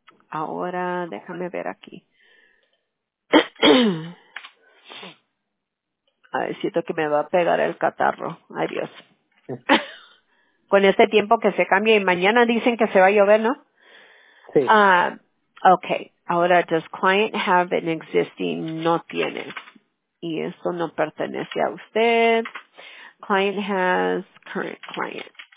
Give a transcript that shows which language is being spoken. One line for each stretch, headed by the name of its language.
Spanish: Ahora déjame ver aquí. Ay, siento que me va a pegar el catarro. Ay, Dios. Con este tiempo que se cambia y mañana dicen que se va a llover, ¿no? Sí. Okay. Ahora,
English: does client have an existing?
Spanish: No tiene. Y esto no pertenece a usted.
English: Client has current client.